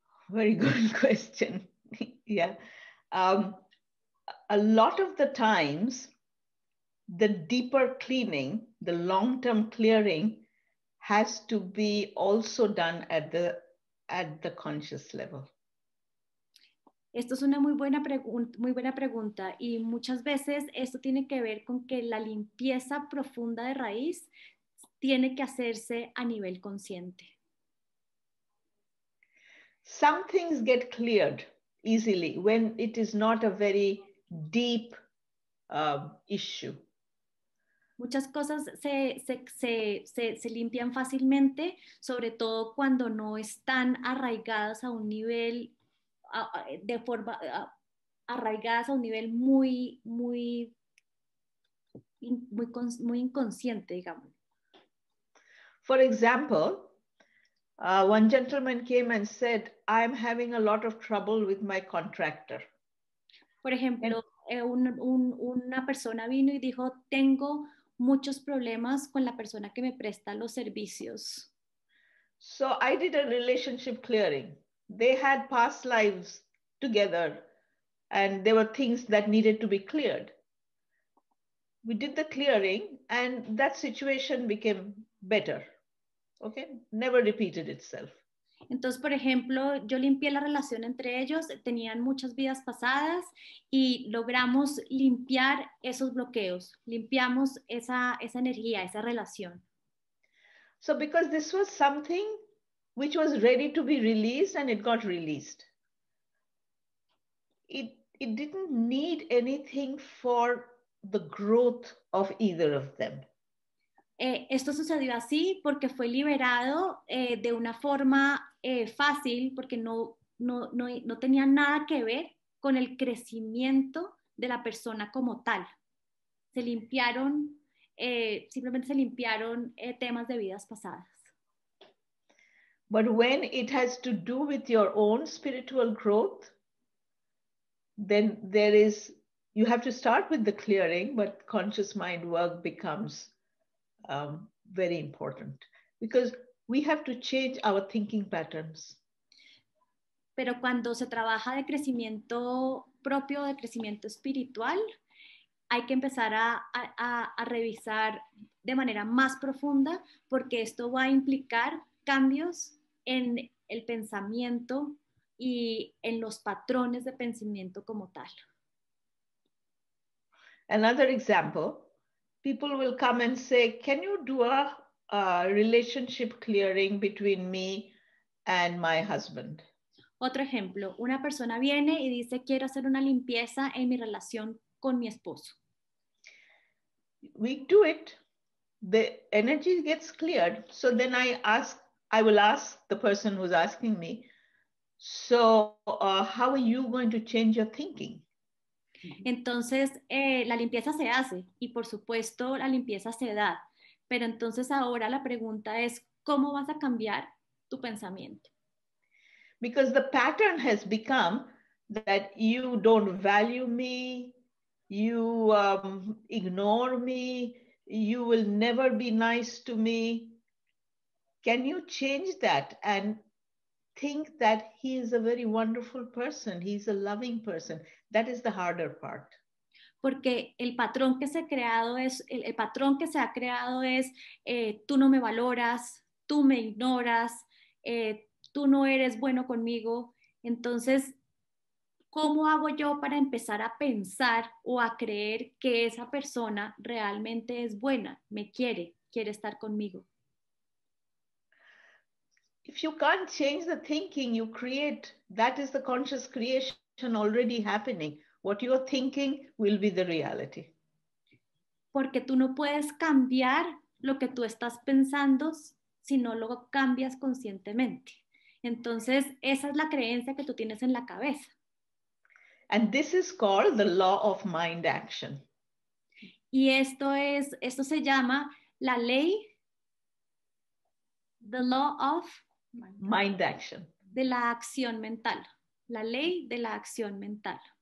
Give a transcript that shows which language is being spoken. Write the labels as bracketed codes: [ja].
[en] Very good question. Yeah. A lot of the times, the deeper cleaning, the long-term clearing, has to be also done at the conscious level. [es] Esto es una muy buena pregunta y muchas veces esto tiene que ver con que la limpieza profunda de raíz tiene que hacerse a nivel consciente. [en] Some things get cleared easily when it is not a very deep issue. [es] Muchas cosas se limpian fácilmente, sobre todo cuando no están arraigadas a un nivel de forma arraigadas a un nivel muy muy muy muy inconsciente, digamos. [en] For example, one gentleman came and said, I'm having a lot of trouble with my contractor. [es] Por ejemplo, una persona vino y dijo, tengo muchos problemas con la persona que me presta los servicios. [en] So I did a relationship clearing. They had past lives together and there were things that needed to be cleared. We did the clearing and that situation became better. Okay, never repeated itself. [es] Entonces, por ejemplo, yo limpié la relación entre ellos, tenían muchas vidas pasadas y logramos limpiar esos bloqueos, limpiamos esa energía, esa relación. [en] So because this was something which was ready to be released and it got released. It didn't need anything for the growth of either of them. [es] Esto sucedió así porque fue liberado de una forma fácil porque no tenía nada que ver con el crecimiento de la persona como tal. Se limpiaron, simplemente se limpiaron temas de vidas pasadas. [en] But when it has to do with your own spiritual growth, then there is, you have to start with the clearing, but conscious mind work becomes very important because we have to change our thinking patterns. [es] Pero cuando se trabaja de crecimiento propio, de crecimiento espiritual, hay que empezar a revisar de manera más profunda porque esto va a implicar cambios en el pensamiento y en los patrones de pensamiento como tal. [en] Another example, people will come and say, can you do a relationship clearing between me and my husband? [es] Otro ejemplo, una persona viene y dice, quiero hacer una limpieza en mi relación con mi esposo. [en] We do it, the energy gets cleared, so then I will ask the person who's asking me, so how are you going to change your thinking? [es] Entonces, la limpieza se hace, y por supuesto la limpieza se da, pero entonces ahora la pregunta es, ¿cómo vas a cambiar tu pensamiento? [en] Because the pattern has become that you don't value me, you ignore me, you will never be nice to me. Can you change that and think that he is a very wonderful person, he's a loving person? That is the harder part. [es] Porque el patrón que se ha creado es, el patrón que se ha creado es, tú no me valoras, tú me ignoras, tú no eres bueno conmigo. Entonces, ¿cómo hago yo para empezar a pensar o a creer que esa persona realmente es buena, me quiere, quiere estar conmigo? [en] If you can't change the thinking, you create, that is the conscious creation already happening. What you are thinking will be the reality. [es] Porque tú no puedes cambiar lo que tú estás pensando si no lo cambias conscientemente. Entonces, esa es la creencia que tú tienes en la cabeza. [en] And this is called the law of mind action. [es] Y esto es, esto se llama la ley, [en] the law of mind action. [es] De la acción mental. La ley de la acción mental.